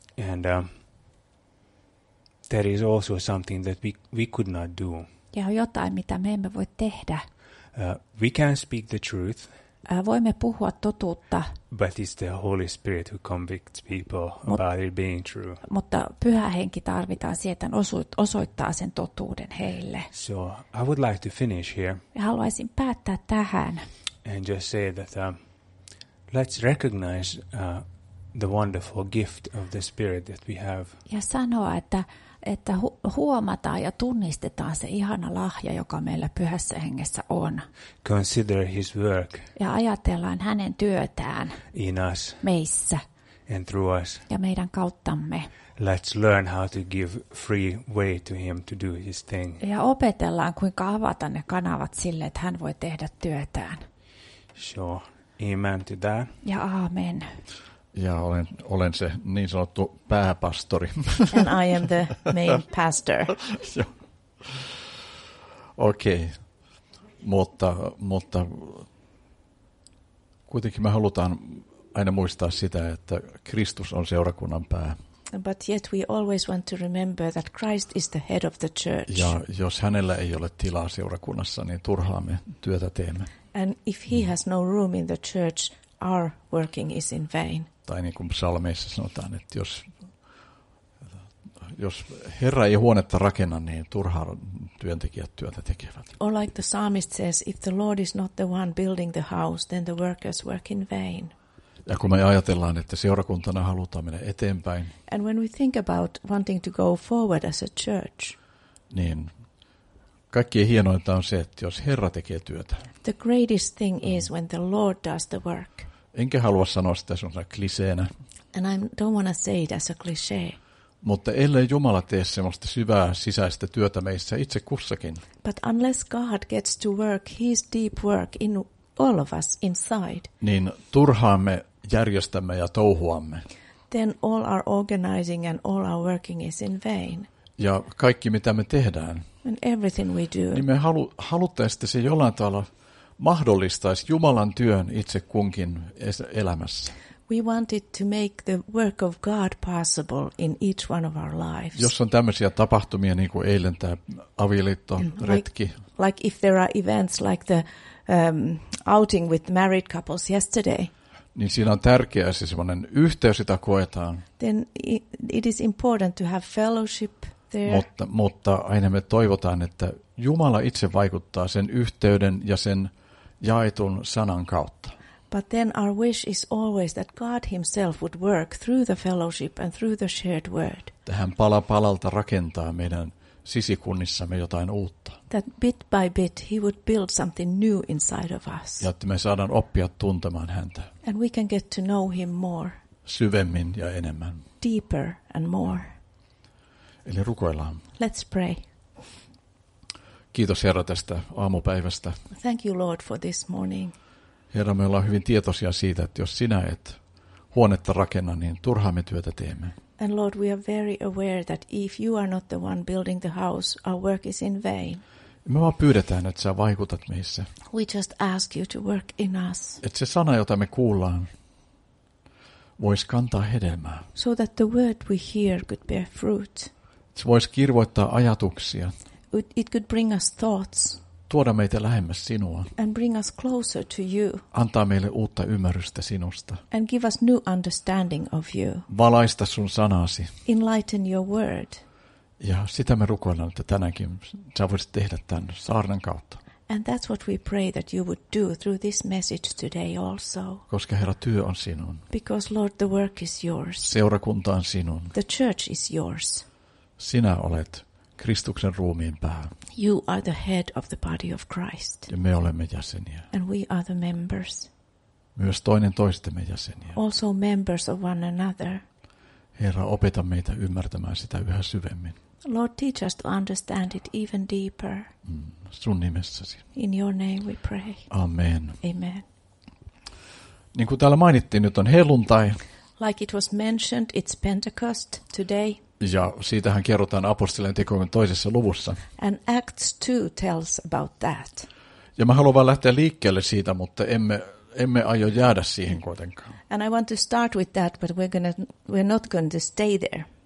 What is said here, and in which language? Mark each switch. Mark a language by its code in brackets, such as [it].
[en] And there is also something that we could not do. [fi] Ja on jotain, mitä me emme voi tehdä. [en] We can speak the truth. [fi] Voimme puhua totuutta. [en] But it's the Holy Spirit who convicts people about it being true. [fi] Mutta Pyhä Henki tarvitaan sieltä osoittaa sen totuuden heille. [en] So I would like to finish here. [fi] Haluaisin päättää tähän. [en] And just say that let's recognize the wonderful gift of the Spirit that we have. [fi] Ja sanoa, että huomataan ja tunnistetaan se ihana lahja, joka meillä Pyhässä Hengessä on. [en] Consider his work. [fi] Ja ajatellaan hänen työtään. [en] In us. [fi] Meissä. [en] And through us. [fi] Ja meidän kauttamme. [en] Let's learn how to give free way to him to do his thing. [fi] Ja opetellaan, kuinka avata ne kanavat sille, että hän voi tehdä työtään. [en] Sure. Amen to that. [fi] Ja aamen. Ja olen se niin sanottu pääpastori. [en] And I am the main pastor. [fi] Okei. Mutta kuitenkin me halutaan aina muistaa sitä, että Kristus on seurakunnan pää. [en] But yet we always want to remember that Christ is the head of the church. [fi] Ja jos hänellä ei ole tilaa seurakunnassa, niin turhaan me työtä teemme. [en] And if he has no room in the church, our working is in vain. [fi] Tai niin kuin psalmeissa sanotaan, että jos Herra ei huonetta rakenna, niin turhaa työntekijät työtä tekevät. [en] Or like the psalmist says, if the Lord is not the one building the house, then the workers work in vain. [fi] Ja kun me ajatellaan, että seurakuntana halutaan mennä eteenpäin. [en] And when we think about wanting to go forward as a church. [fi] Niin kaikkein hienointa on se, että jos Herra tekee työtä. [en] The greatest thing is when the Lord does the work. [fi] Enkä halua sanoa sitä sellaisena kliseenä. [en] And I don't want to say it as a cliché. [fi] Mutta ellei Jumala tee sellaista syvää sisäistä työtä meissä itse kussakin. [en] But unless God gets to work his deep work in all of us inside. [fi] Niin turhaamme järjestämme ja touhuamme. [en] Then all our organizing and all our working is in vain. [fi] Ja kaikki mitä me tehdään. [en] And everything we do. [fi] Niin me haluttaisiin, että se jollain tavalla mahdollistaisi Jumalan työn itse kunkin elämässä. [en] We want it to make the work of God possible in each one of our lives. [fi] Jos on tämmöisiä tapahtumia, niin kuin eilen tämä avioliittoretki. [en] Like if there are events like the outing with married couples yesterday. [fi] Niin siinä on tärkeää se semmoinen yhteys, jota koetaan. [en] Then it is important to have fellowship there. [fi] Mutta aina me toivotaan, että Jumala itse vaikuttaa sen yhteyden ja sen jaetun sanan kautta. [en] But then our wish is always that God himself would work through the fellowship and through the shared word. [fi] Tähän pala palalta rakentaa meidän sisikunnissamme jotain uutta. [en] That bit by bit he would build something new inside of us. [fi] Ja että me saadaan oppia tuntemaan häntä. [en] And we can get to know him more. [fi] Syvemmin ja enemmän. [en] Deeper and more. [fi] Eli rukoillaan. [en] Let's pray. [fi] Kiitos Herra tästä aamupäivästä. [en] Thank you Lord for this morning. [fi] Herra, me ollaan hyvin tietoisia siitä, että jos sinä et huonetta rakenna, niin turhaa me työtä teemme. [en] And Lord, we are very aware that if you are not the one building the house, our work is in vain. [fi] Me vaan pyydetään, että sä vaikutat meissä. [en] We just ask you to work in us. [fi] Että se sana, jota me kuullaan, voisi kantaa hedelmää. [en] So that the word we hear could bear fruit. [fi] Se voisi kirvoittaa ajatuksia. [en] It could bring us thoughts. [fi] tuoda meitä lähemmäs sinua. [en] And bring us closer to you. [fi] Antaa meille uutta ymmärrystä sinusta. [en] And give us new understanding of you. [fi] Valaista sun sanasi. [en] Enlighten your word. [fi] Ja sitä me rukoillaan, että tänäänkin sä voisit tehdä tämän saarnan kautta. [en] And that's what we pray that you would do through this message today also. [fi] Koska Herra, työ on sinun. [en] Because Lord, the work is yours. [fi] Seurakunta on sinun. [en] The church is yours. [fi] Sinä olet Kristuksen ruumiin pää. [en] You are the head of the body of Christ. [fi] Ja me olemme jäseniä. [en] And we are the members. [fi] Myös toinen toistemme jäseniä. [en] Also members of one another. [fi] Herra, opeta meitä ymmärtämään sitä yhä syvemmin. [en] Lord, teach us to understand it even deeper. [fi] Sun nimessäsi. [en] In your name we pray. [fi] Amen. [en] Amen. [fi] Niin kuin täällä mainittiin, nyt on helluntai. [en] Like it was mentioned, it's Pentecost today. [fi] Ja siitähän kerrotaan Apostolien tekojen toisessa luvussa. [en] And Acts 2 tells about that. [fi] Ja mä haluan vaan lähteä liikkeelle siitä, mutta emme aio jäädä siihen kuitenkaan. [en] And I want to start with that, but we're not going to stay there.